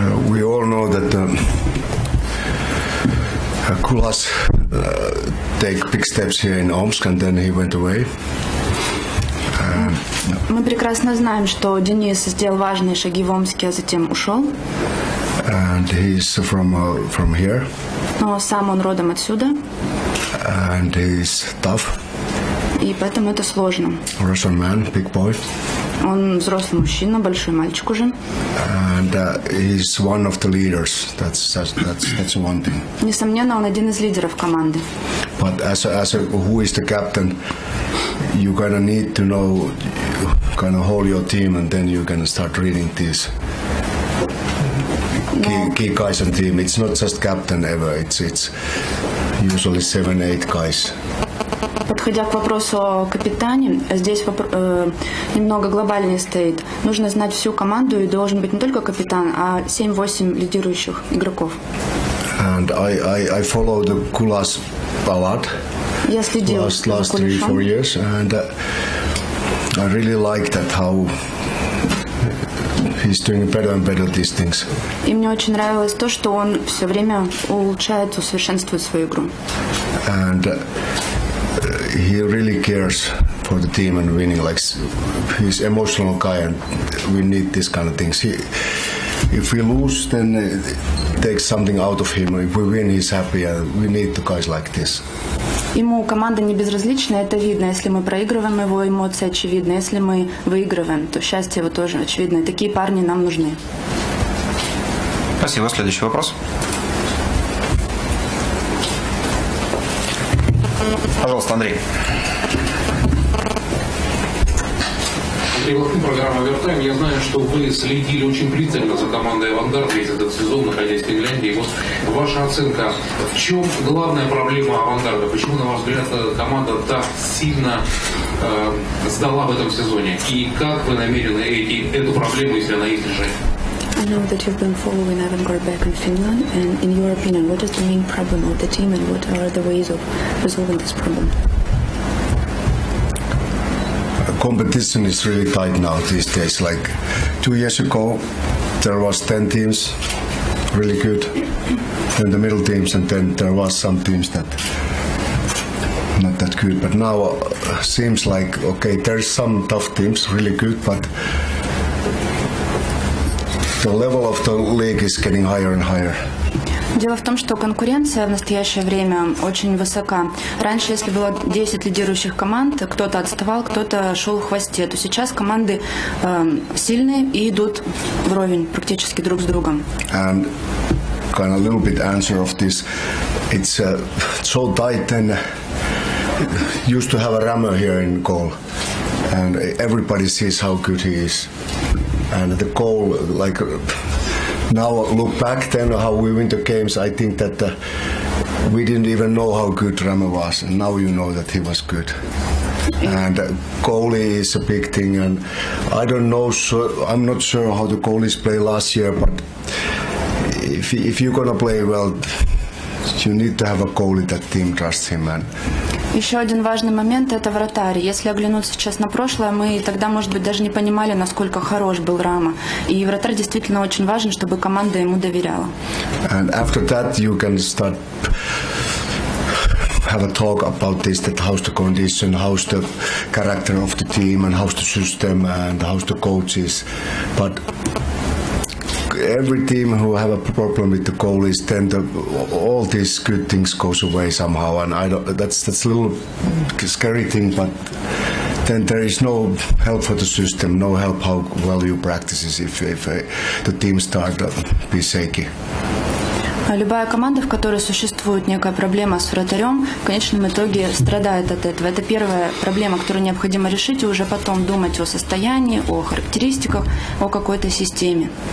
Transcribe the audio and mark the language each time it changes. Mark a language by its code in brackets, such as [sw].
[en] We all know that Kulas take big steps here in Omsk and then he went away. [ru] Мы прекрасно знаем, что Денис сделал важные шаги в Омске, а затем ушел. [en] And he's from here. [ru] Но сам он родом отсюда. [en] And he's tough. [ru] И поэтому это сложно. [en] Russian man, big boy. [ru] Он взрослый мужчина, большой мальчик уже. [en] And he's one of the leaders. That's one thing. [ru] Несомненно, он один из лидеров команды. [en] But as a, who is the captain, you gonna need to know, kind of hold your team, and then you're gonna start reading this. Key guys on team. It's not just captain ever. It's usually 7-8 guys. [ru] Подходя к вопросу о капитане, здесь немного глобальнее стоит. Нужно знать всю команду и должен быть не только капитан, а 7-8 лидирующих игроков. [en] And I follow the Kulas a lot. [ru] Я следил [en] last 3-4 years, and I really like that how he's doing better and better these things. [ru] И мне очень нравилось то, что он все время улучшает, усовершенствует свою игру. [en] And he really cares for the team and winning. Like he's an emotional guy, and we need this kind of things. If we lose, then takes something out of him. If we win, he's happy, and we need the guys like this. [ru] Ему команда не безразлична, это видно. Если мы проигрываем, его эмоции очевидны. Если мы выигрываем, то счастье его тоже очевидно. Такие парни нам нужны. Спасибо. Следующий вопрос. Пожалуйста, Андрей. Программа «Овертайм». Я знаю, что вы следили очень пристально за командой «Авангард» весь этот сезон, находясь в Финляндии. Вот ваша оценка, в чем главная проблема «Авангарда»? Почему, на ваш взгляд, команда так сильно сдала в этом сезоне? И как вы намерены эту проблему, если она есть, решать? [en] I know that you've been following Avangard back in Finland, and in your opinion, what is the main problem of the team, and what are the ways of resolving this problem? Competition is really tight now these days. Like 2 years ago, there was 10 teams, really good, then the middle teams, and then there was some teams that not that good. But now seems like okay, there's some tough teams, really good, but the level of the league is getting higher and higher. [ru] Дело в том, что конкуренция в настоящее время очень высока. Раньше, если было 10 лидирующих команд, кто-то отставал, кто-то шел в хвосте, то сейчас команды сильные и идут вровень практически друг с другом. [en] And kind of a little bit answer of this. It's so tight, and used to have a rammer here in goal. and everybody sees how good he is. And the goal, like, now look back then how we win the games, I think that we didn't even know how good Rami was, and now you know that he was good. And goalie is a big thing, and I don't know, so I'm not sure how the goalies play last year, but if you're gonna play well, you need to have a goalie that team trusts him, man. [ru] Еще один важный момент – это вратарь. Если оглянуться сейчас на прошлое, мы тогда, может быть, даже не понимали, насколько хорош был Рама. И вратарь действительно очень важен, чтобы команда ему доверяла. [en] And after that you can start have a talk about this, that how's the condition, how's the character of the team, and how's the system, and how's the coaches. But every team who have a problem with the goalies, then all these good things goes away somehow. And I don't, that's a little scary thing, but then there is no help for the system, no help how well you practice if the team start to be shaky. [ru] Любая команда, в которой существует некая проблема с вратарем, в конечном итоге страдает от этого. Это первая проблема, которую необходимо решить, и уже потом думать о состоянии, о характеристиках, о какой-то системе.